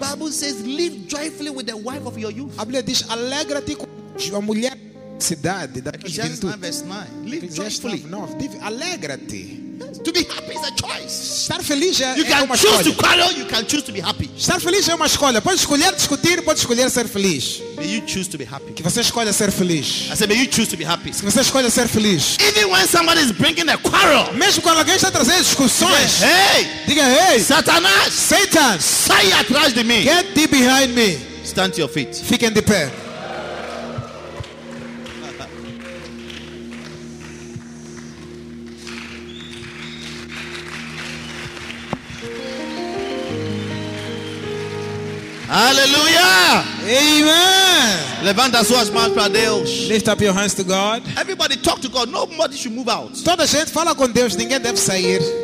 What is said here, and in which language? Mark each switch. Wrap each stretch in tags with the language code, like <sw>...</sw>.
<en>The Bible says, live joyfully with the wife of your youth.</en> <pt>A Bíblia diz, alegra-te com a mulher da cidade.</pt> <en>Ecclesiastes 9, verse 9.</en> <pt>Alegra-te.</pt> <en>To be happy is a choice.</en> <pt>Estar feliz é</pt> <en>you can</en> <pt>uma</pt> <en>choose</en> <pt>escolha.</pt> <en>To quarrel, you can choose to be happy.</en> <pt>Estar feliz é uma escolha. Pode escolher discutir, pode escolher ser feliz.</pt> <en>May you choose to be happy.</en> <pt>Que você escolha ser feliz.</pt> <en>I said, may you choose to be happy.</en> <pt>Que você escolha ser feliz.</pt> <en>Even when somebody is bringing a quarrel.</en> <pt>Mesmo quando alguém está trazendo discussões.</pt> <en>Say, hey,</en> <pt>diga hey. Satanás.</pt> <en>Satan.</en> <pt>Sai atrás de mim.</pt> <en>Get thee behind me. Stand to your feet.</en> <pt>Fique em de pé. Aleluia!</pt> <en>Amen!</en> <pt>Levanta suas mãos para Deus.</pt> <en>Lift up your hands to God. Everybody talk to God. Nobody should move out.</en> <pt>Toda gente fala com Deus. Ninguém deve sair.</pt>